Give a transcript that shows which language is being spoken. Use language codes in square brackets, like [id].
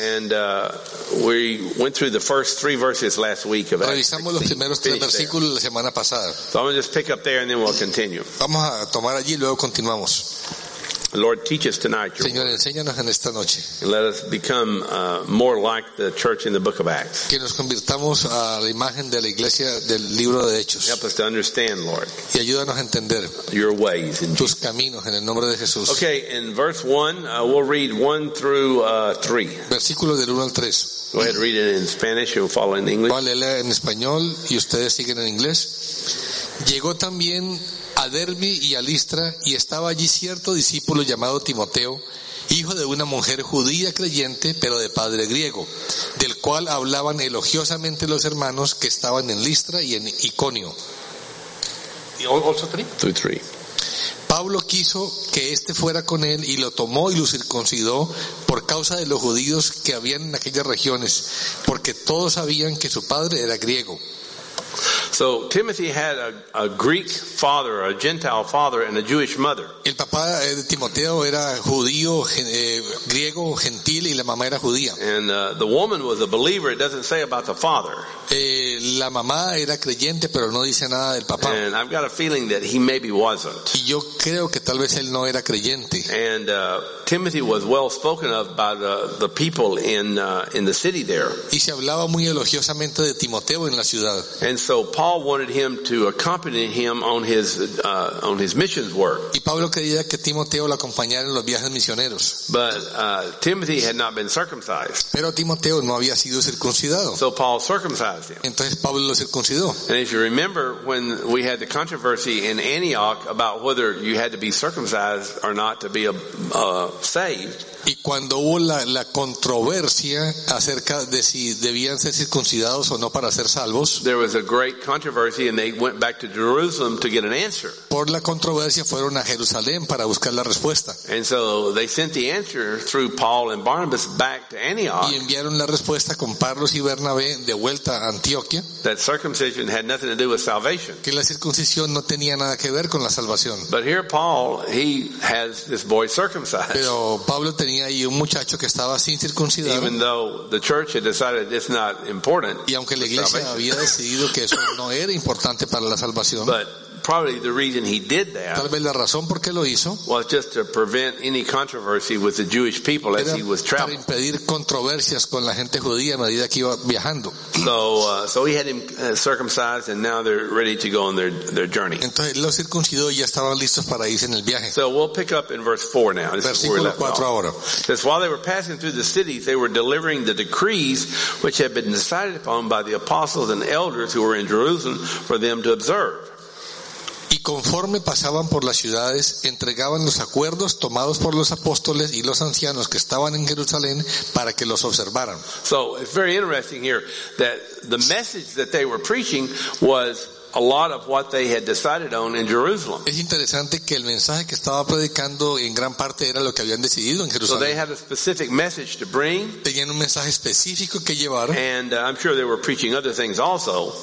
[en] And we went through the first three verses last week of Acts. [es] Revisamos los primeros tres versículos la semana pasada. [en] So I'm going to just pick up there and then we'll continue. [es] Vamos a tomar allí y luego continuamos. [en] Lord, teach us tonight, your [es] Señor, enséñanos en esta noche. [en] And let us become more like the church in the book of Acts. [es] Que nos convirtamos a la imagen de la iglesia del libro de Hechos. [en] Help us to understand, Lord. [es] Y ayúdanos a entender [en] your ways in [es] tus caminos en el nombre de Jesús. [en] Okay, in verse 1, we'll read 1 through 3. [es] Versículo del 1 al 3. [en] Go ahead, read it in Spanish, you'll follow in English. [es] Vale, lea en español y ustedes siguen en inglés. Llegó también a Derbe y a Listra, y estaba allí cierto discípulo llamado Timoteo, hijo de una mujer judía creyente, pero de padre griego, del cual hablaban elogiosamente los hermanos que estaban en Listra y en Iconio. [en] ¿Y also three? [es] Pablo quiso que este fuera con él, y lo tomó y lo circuncidó por causa de los judíos que habían en aquellas regiones, porque todos sabían que su padre era griego. [en] So Timothy had a Greek father, a Gentile father, and a Jewish mother. [es] El papá de Timoteo era judío, griego, gentil, y la mamá era judía. [en] And the woman was a believer. It doesn't say about the father. [es] La mamá era creyente, pero no dice nada del papá. [en] And I've got a feeling that he maybe wasn't. [es] Y yo creo que tal vez él no era creyente. [en] And Timothy was well spoken of by the people in the city there. [es] Y se hablaba muy elogiosamente de Timoteo en la ciudad. [en] And so Paul wanted him to accompany him on his missions work. [es] Y Pablo quería que Timoteo lo acompañara en los viajes misioneros. [en] But Timothy had not been circumcised. [es] Pero Timoteo no había sido circuncidado. [en] So Paul circumcised him. [es] Entonces Pablo lo circuncidó. [en] And if you remember when we had the controversy in Antioch about whether you had to be circumcised or not to be saved. [es] Y cuando hubo la controversia acerca de si debían ser circuncidados o no para ser salvos, [en] there was a great controversy and they went back to Jerusalem to get an answer. [es] Por la controversia fueron a Jerusalén para buscar la respuesta. [en] And so they sent the answer through Paul and Barnabas back to Antioch. [es] Y enviaron la respuesta con Carlos y Bernabé de vuelta a Antioquía. [en] That circumcision had nothing to do with salvation. [es] Que la circuncisión no tenía nada que ver con la salvación. [en] But here Paul, he has this boy circumcised. [es] Pero Pablo tenía ahí un muchacho que estaba sin circuncidar. [en] Even though the church had decided it's not important. [es] Y aunque la iglesia [en] salvation [es] había decidido que eso no era importante para la salvación. [en] But probably the reason he did that, [es] tal vez la razón por qué lo hizo, [en] was just to prevent any controversy with the Jewish people as he was traveling. [es] Para impedir controversias con la gente judía a medida que iba viajando. [en] So he had him circumcised, and now they're ready to go on their journey. [es] Entonces lo circuncidó y ya estaban listos para irse en el viaje. [en] So we'll pick up in verse 4 now. [es] Versículo 4 ahora. [en] Says while they were passing through the cities, they were delivering the decrees which had been decided upon by the apostles and elders who were in Jerusalem for them to observe. [es] Y conforme pasaban por las ciudades, entregaban los acuerdos tomados por los apóstoles y los ancianos que estaban en Jerusalén para que los observaran. [en] So, it's very interesting here that the message that they were preaching was a lot of what they had decided on in Jerusalem. [es] Es interesante que el mensaje que estaba predicando en gran parte era lo que habían decidido en Jerusalén. [en] So they had a specific message to bring. [es] Tenían un mensaje específico que llevar. [en] And I'm sure they were preaching other things also.